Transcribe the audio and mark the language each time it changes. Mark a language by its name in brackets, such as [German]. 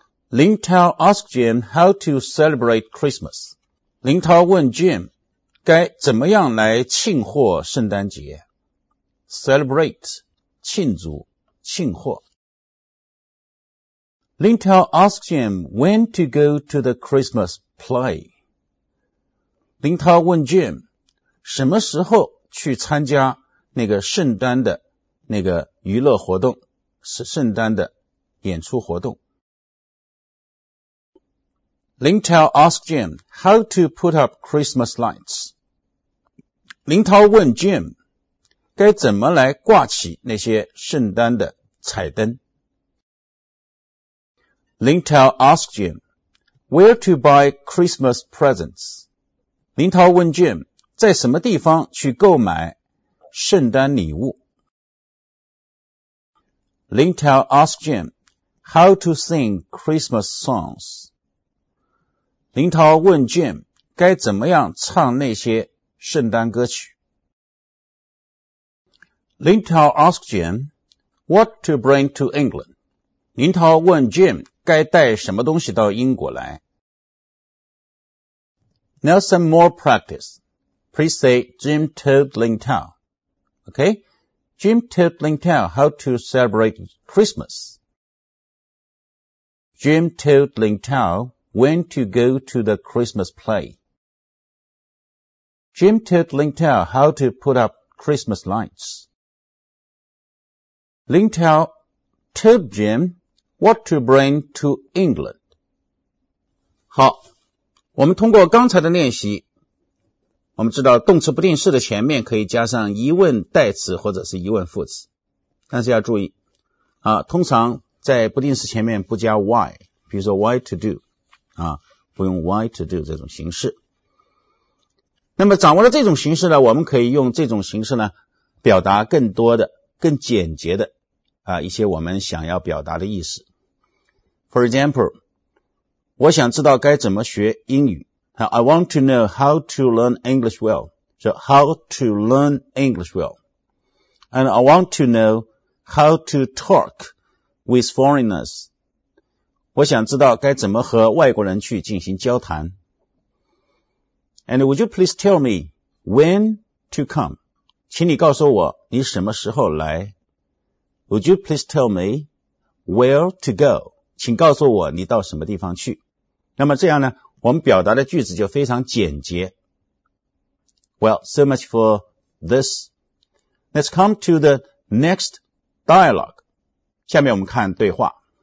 [English] Ling Tao asked Jim how to celebrate Christmas. [Chinese] 林涛问 Jim该怎么样来庆贺圣诞节。 Celebrate, 庆祝庆贺。 [English] Ling Tao asked Jim when to go to the Christmas play. [Chinese] Ling Tao 问 Jim, 什么时候去参加那个圣诞的那个娱乐活动，是圣诞的演出活动。 [English] Ling Tao asked Jim how to put up Christmas lights. [Chinese] 林涛问 Jim 该怎么来挂起那些圣诞的彩灯。 [English] 林涛 asked Jim where to buy Christmas presents。 [Chinese] 林涛问 Jim 在什么地方去购买圣诞礼物。 [English] 林涛 asked Jim how to sing Christmas songs。 [Chinese] 林涛问 Jim 该怎么样唱那些圣诞歌曲。 [English] Ling Tao asked Jim, what to bring to England? [Chinese] Ling Tao 问 Jim, 该带什么东西到英国来。 [English] Now some more practice. Please say Jim told Ling Tao. Okay? Jim told Ling Tao how to celebrate Christmas. Jim told Ling Tao when to go to the Christmas play. Jim told Ling Tao how to put up Christmas lights. Ling Tao told Jim what to bring to England. [Chinese] 好，我们通过刚才的练习，我们知道动词不定式的前面可以加上疑问代词或者是疑问副词。但是要注意，通常在不定式前面不加 why, 比如说 [English] why to do, [Chinese] 不用 why to do 这种形式。那么掌握了这种形式呢，我们可以用这种形式呢表达更多的、更简洁的啊一些我们想要表达的意思。 [English] For example, [Chinese] 我想知道该怎么学英语。 [English] I want to know how to learn English well. So how to learn English well. And I want to know how to talk with foreigners. [Chinese] 我想知道该怎么和外国人去进行交谈。 [English] And would you please tell me when to come? [Chinese] 请你告诉我你什么时候来。 [English] Would you please tell me where to go? [Chinese] 请告诉我你到什么地方去。那么这样呢，我们表达的句子就非常简洁。 [English] Well, so much for this. Let's come to the next dialogue. [Chinese] 下面我们看对话。